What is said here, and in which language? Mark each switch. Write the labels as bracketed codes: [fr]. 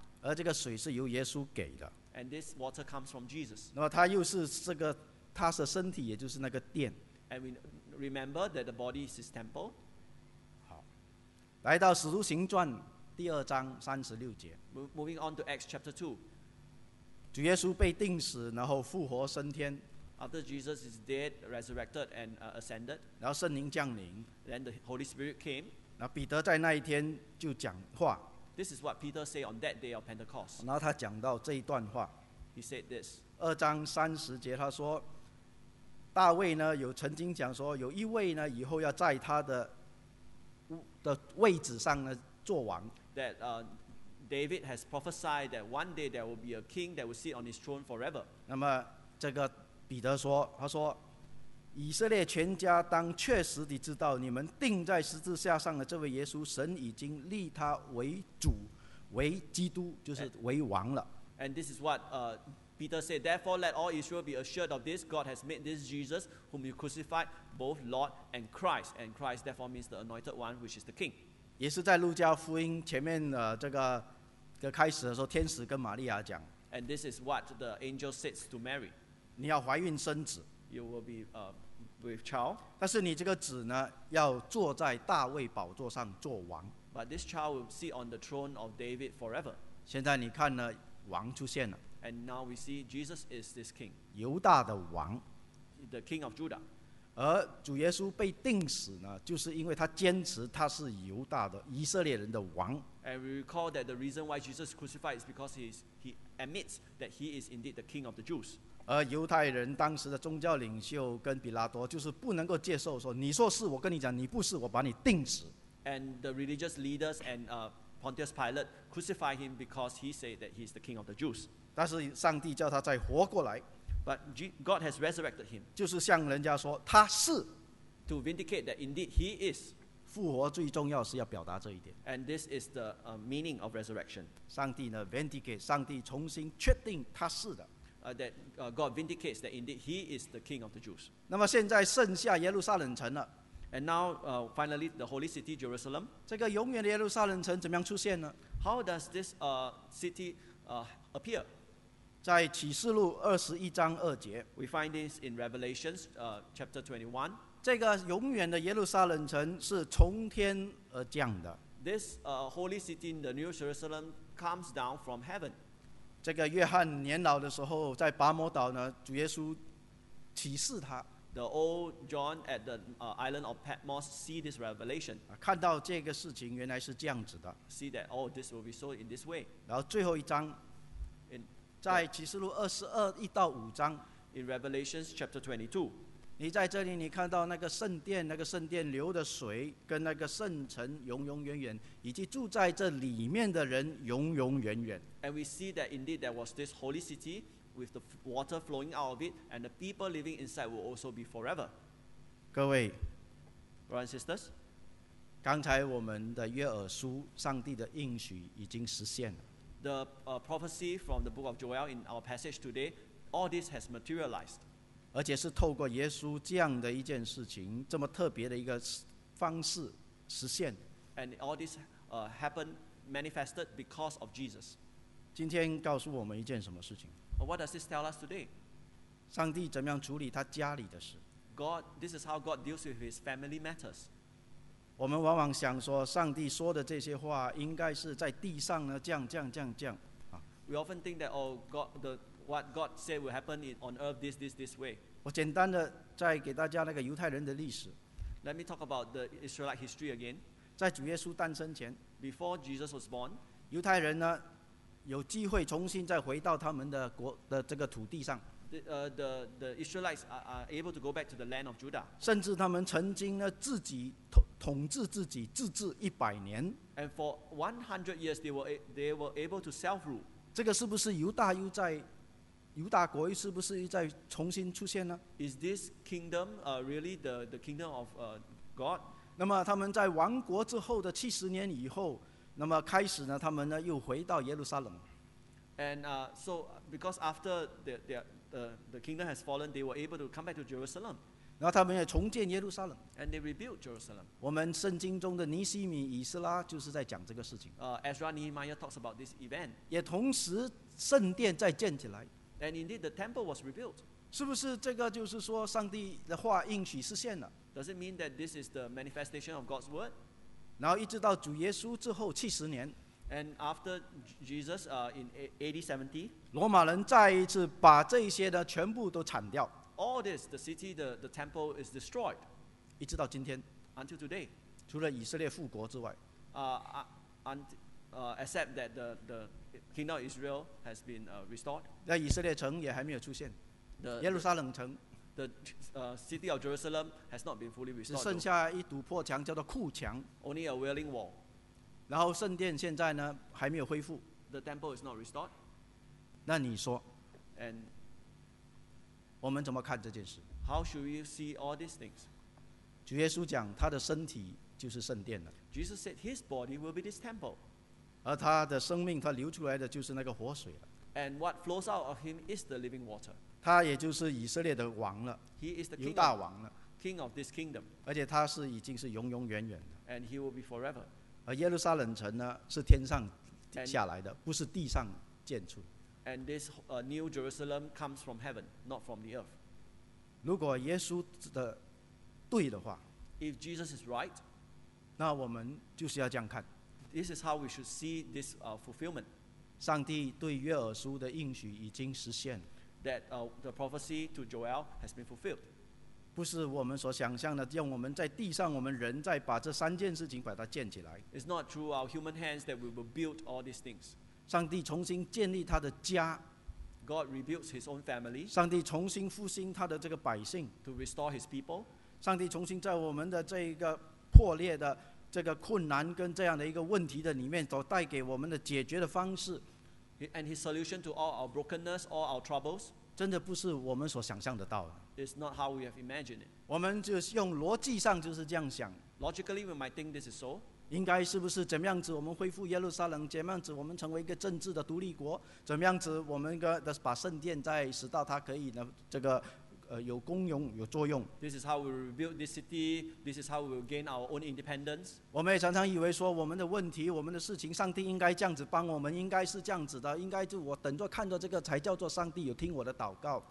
[zh] 而这个水是由耶稣给的。 [en] And this water comes from Jesus. [zh] 那么他又是这个他的身体，也就是那个殿。 [en] And we remember that the body is his temple. [zh] 来到《使徒行传》第二章三十六节。 [en] Moving on to Acts chapter 2. [zh] 主耶稣被钉死，然后复活升天。 [en] After Jesus is dead, resurrected, and ascended. [zh] 然后圣灵降临。 [en] Then the Holy Spirit came. [zh] 然后彼得在那一天就讲话。 [en] This is what Peter said on that day of Pentecost. [zh] 然后他讲到这一段话。 [en] He said this. [zh] 二章三十节他说，大卫呢有曾经讲说，有一位呢以后要在他的位置上呢做王。 [en] That David has prophesied that one day there will be a king that will sit on his throne forever. [zh] 那么这个彼得说，他说，以色列全家当确实地知道，你们钉在十字架上的这位耶稣，神已经立他为主，为基督，就是为王了。 [en] And this is what Peter said. Therefore, let all Israel be assured of this: God has made this Jesus, whom you crucified, both Lord and Christ. And Christ therefore means the Anointed One, which is the King. [zh] 也是在路加福音前面这个开始的时候，天使跟玛利亚讲。 [en] And this is what the angel says to Mary. [zh] 你要怀孕生子。 [en] You will be with child. [zh] 但是你这个子呢，要坐在大卫宝座上做王。 [en] But this child will sit on the throne of David forever. [zh] 现在你看呢，王出现了。 [en] And now we see Jesus is this king. [zh] 犹大的王。 [en] The king of Judah. [zh] 而主耶稣被钉死呢，就是因为他坚持他是犹大的以色列人的王。 [en] And we recall that the reason why Jesus crucified is because he admits that he is indeed the king of the Jews. [zh] 而犹太人当时的宗教领袖跟比拉多就是不能够接受说，你说是我跟你讲，你不是我把你钉死。 [en] And the religious leaders and Pontius Pilate crucified him because he said that he is the king of the Jews. [zh] 但是上帝叫他再活过来。 [en] But God has resurrected him. [zh] 就是向人家说他是。 [en] To vindicate that indeed he is. [zh] 复活最重要是要表达这一点。 [en] And this is the meaning of resurrection. [zh] 上帝呢 vindicate, 上帝重新确定他是的。 [en] That God vindicates that indeed he is the king of the Jews. [zh] 那么现在剩下耶路撒冷城了。 [en] And now, finally, the holy city, Jerusalem. [zh] 这个永远的耶路撒冷城怎么样出现呢？ [en] How does this city appear? [zh] 在启示录21:2. [en] We find this in Revelation chapter 21. [zh] 这个永远的耶路撒冷城是从天而降的。 [en] This holy city, the New Jerusalem, comes down from heaven. [zh] 这个约翰年老的时候，在拔摩岛呢，主耶稣启示他。 [en] The old John at the island of Patmos see this revelation. [zh] 看到这个事情原来是这样子的。 [en] See that all this will be so in this way. [zh] 然后最后一章，在启示录22:1-5。 [en] In Revelation chapter 22, [zh] 你在这里你看到那个圣殿，那个圣殿流的水跟那个圣城永永远远，以及住在这里面的人永永远远。 [en] And we see that indeed there was this holy city. With the water flowing out of it, and the people living inside will also be forever. [zh] 各位 [en] brothers and sisters, [zh] 刚才我们的约珥书，上帝的应许已经实现了。 [en] The prophecy from the book of Joel in our passage today, all this has materialized. [zh] 而且是透过耶稣这样的一件事情，这么特别的一个方式实现。 [en] And all this happened manifested because of Jesus. [zh] 今天告诉我们一件什么事情？ [en] What does this tell us today? [zh] 上帝怎么样处理他家里的事？ [en] God, this is how God deals with his family matters. [zh] 我们往往想说，上帝说的这些话应该是在地上呢，这样。 [en] We often think that, oh, God, the, what God said will happen on earth this way. [zh] 我简单的再给大家那个犹太人的历史。 [en] Let me talk about the Israelite history again. [zh] 在主耶稣诞生前。 [en] Before Jesus was born. [zh] 犹太人呢有机会重新再回到他们的国的这个土地上。 [en] The Israelites are able to go back to the land of Judah. [zh] 甚至他们曾经呢自己统治自己自治100年。 [en] And for 100 years they were able to self rule. [zh] 这个是不是犹大国是不是又在重新出现呢 [en] ？Is this kingdom really the kingdom of God? [zh] 那么他们在亡国之后的70年以后。那么开始呢，他们呢又回到耶路撒冷。 [en] And so because after the kingdom has fallen, they were able to come back to Jerusalem. [zh] 然后他们也重建耶路撒冷。 [en] And they rebuilt Jerusalem. [zh] 我们圣经中的尼希米、以斯拉就是在讲这个事情。 [en] Ezra Nehemiah talks about this event. [zh] 也同时圣殿再建起来。 [en] And indeed the temple was rebuilt. [zh] 是不是这个就是说上帝的话应许实现了 [en] ？Does it mean that this is the manifestation of God's word? [zh] 然后一直到主耶稣之后70年 [en] ，and after Jesus, in AD 70, [zh] 罗马人再一次把这些的全部都铲掉。 [en] All this, the city, the temple is destroyed. [zh] 一直到今天 [en] ，until today. [zh] 除了以色列复国之外 [en] except that the kingdom of Israel has been restored. [zh] 那以色列城也还没有出现 [en] ，the [zh] 耶路撒冷城。 [en] The city of Jerusalem has not been fully restored. [zh] 只剩下一堵破墙，叫做库墙。 [en] Only a wailing wall. [zh] 然后圣殿现在呢还没有恢复。 [en] The temple is not restored. [zh] 那你说 [en] ？And [zh] 我们怎么看这件事？ [en] How should we see all these things? [zh] 主耶稣讲他的身体就是圣殿了。 [en] Jesus said his body will be this temple. [zh] 而他的生命他流出来的就是那个活水了。 [en] And what flows out of him is the living water. [zh] 他也就是以色列的王了。 [en] He is the [zh] king, 犹大王了。 [en] King of this kingdom. [zh] 而且他是已经是永永远远的。 [en] And he will be forever. [zh] 而耶路撒冷城呢，是天上下来的，不是地上建出。 [en] And this new Jerusalem comes from heaven, not from the earth. [zh] 如果耶稣的对的话， [en] If Jesus is right, [zh] 那我们就是要这样看。 [en] This is how we should see this fulfillment. [zh] 上帝对约珥书的应许已经实现。 [en] That the prophecy to Joel has been fulfilled. [zh] 不是我们所想象的，让我们在地上，我们人在把这三件事情把它建起来。 [en] It's not through our human hands that we will build all these things. [zh] 上帝重新建立他的家。 [en] God rebuilds his own family. [zh] 上帝重新复兴他的这个百姓。 [en] To restore his people. [zh] 上帝重新在我们的这个破裂的这个困难跟这样的一个问题的里面，所带给我们的解决的方式。 [en] And his solution to all our brokenness, all our troubles. [zh] 真的不是我们所想象得到的。 [en] It's not how we have imagined it. [zh] 我们就是用逻辑上就是这样想。 [en] Logically, we might think this is so. [zh] 应该是不是怎么样子我们恢复耶路撒冷，怎么样子我们成为一个政治的独立国，怎么样子我们把圣殿再使到它可以呢这个有功用有作用。 [en] This is how we rebuild this city. This is how we will gain our own independence. [zh] 我们也常常以为说我们的问题，我们的事情，上帝应该这样子帮我们，应该是这样子的，应该就我等着看着这个才叫做上帝有听我的祷告。